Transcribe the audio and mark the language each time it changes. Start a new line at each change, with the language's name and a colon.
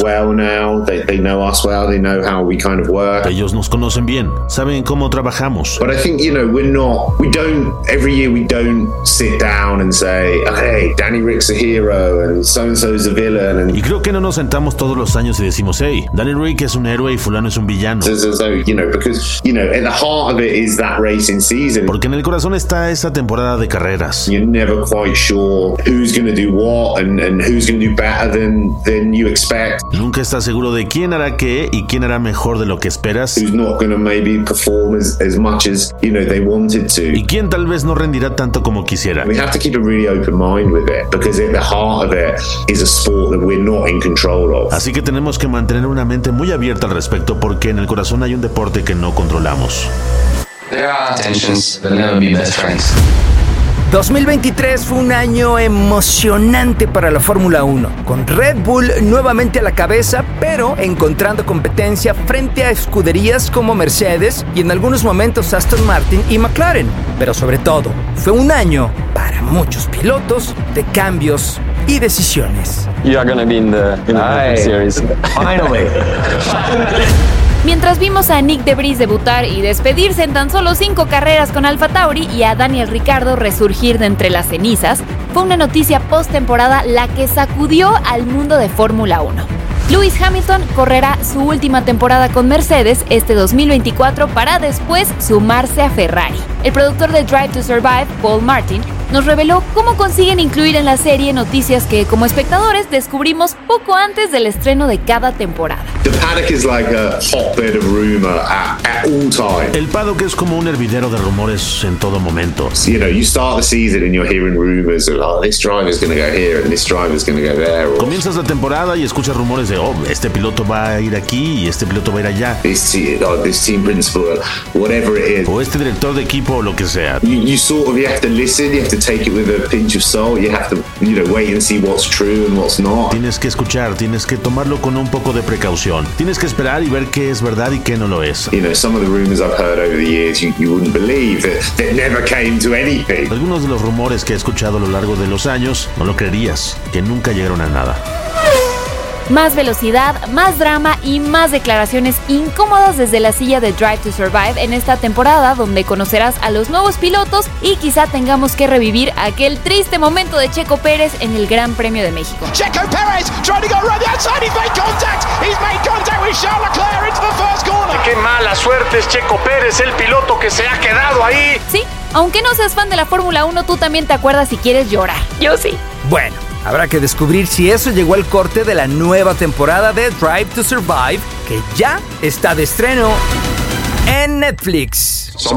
English: Well now, they know us well, they know how we kind of work.
Spanish: Ellos nos conocen bien, saben cómo trabajamos.
English: But I think, you know, we're not, we don't, every year we don't sit down and say, hey, Danny Rick's a hero and so-and-so's a villain. And
Spanish: y creo que no nos sentamos todos los años y decimos, hey, Danny Rick es un héroe y fulano es un villano.
English: So, you know, because, you know, at the heart of it is that racing season.
Spanish: Porque en el corazón está esa temporada de carreras.
English: You know, never quite sure who's going to do what and who's going to do better than you expect.
Spanish: Nunca estás seguro de quién hará qué y quién hará mejor de lo que esperas.
English: Who's not going to maybe perform as much as, you know, they wanted to.
Spanish: Y quién tal vez no rendirá tanto como quisiera.
English: We have to keep a really open mind with it because at the heart of it is a sport that we're not in control of.
Spanish: Así que tenemos que mantener una mente muy abierta al respecto porque en el corazón hay un deporte que no controlamos.
English: There are tensions, but never be best friends.
Spanish: 2023 fue un año emocionante para la Fórmula 1, con Red Bull nuevamente a la cabeza, pero encontrando competencia frente a escuderías como Mercedes y en algunos momentos Aston Martin y McLaren. Pero sobre todo, fue un año para muchos pilotos de cambios y decisiones.
English: You are going to be in the series. Finally.
Spanish: Mientras vimos a Nyck de Vries debutar y despedirse en tan solo 5 carreras con Alfa Tauri y a Daniel Ricciardo resurgir de entre las cenizas, fue una noticia post-temporada la que sacudió al mundo de Fórmula 1. Lewis Hamilton correrá su última temporada con Mercedes este 2024 para después sumarse a Ferrari. El productor de Drive to Survive, Paul Martin, nos reveló cómo consiguen incluir en la serie noticias que, como espectadores, descubrimos poco antes del estreno de cada temporada.
English: The paddock is like a hotbed of rumor at all times.
Spanish: El paddock es como un hervidero de rumores en todo momento.
English: You know, you start the season and you're hearing rumors of, oh, this driver's going to go here and this driver's going to go there.
Spanish: Or comienzas la temporada y escuchas rumores de, oh, este piloto va a ir aquí y este piloto va a ir allá.
English: This team principal, whatever it is.
Spanish: O este director de equipo o lo que sea.
English: You sort of, you have to listen. You have to take it with a pinch of salt. You have to, you know, wait and see what's true and what's not.
Spanish: Tienes que escuchar, tienes que tomarlo con un poco de precaución. Tienes que esperar y ver qué es verdad y qué no lo es.
English: You know, some of the rumors I've heard over the years, you wouldn't believe that never came to anything.
Spanish: Algunos de los rumores que he escuchado a lo largo de los años, no lo creerías, que nunca llegaron a nada. Más velocidad, más drama y más declaraciones incómodas desde la silla de Drive to Survive en esta temporada, donde conocerás a los nuevos pilotos y quizá tengamos que revivir aquel triste momento de Checo Pérez en el Gran Premio de México.
English: Checo Pérez trying to go around the outside, he's made contact with Charles Leclerc into the first corner.
Spanish: Qué mala suerte es Checo Pérez, el piloto que se ha quedado ahí. Sí, aunque no seas fan de la Fórmula 1, tú también te acuerdas y quieres llorar. Yo sí. Bueno, habrá que descubrir si eso llegó al corte de la nueva temporada de Drive to Survive, que ya está de estreno en Netflix.